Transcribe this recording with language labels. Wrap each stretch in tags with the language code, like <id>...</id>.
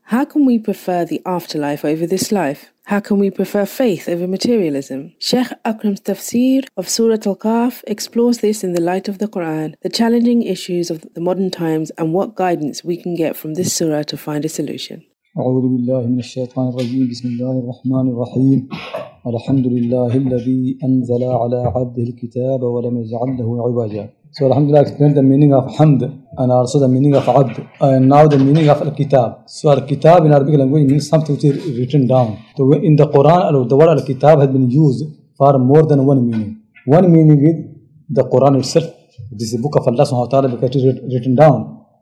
<en>How can we prefer the afterlife over this life? How can we prefer faith over materialism? Sheikh Akram's Tafsir of Surah Al-Kahf explores this in the light of the Quran, the challenging issues of the modern times, and what guidance we can get from this surah to find a solution.</en> <ar>أعوذ بالله من الشيطان الرجيم بسم الله الرحمن الرحيم الحمد لله الذي أنزل على عبده الكتاب ولم يجعل له عوجا.</ar> <en>So Alhamdulillah explained the meaning of Hamd and also the meaning of Abd and now the meaning of Al-Kitab. So Al-Kitab in Arabic language means something which is written down. So in the Quran, the word Al-Kitab has been used for more than one meaning. One meaning is the Quran itself. This is the book of Allah subhanahu wa ta'ala because it is written down.</en>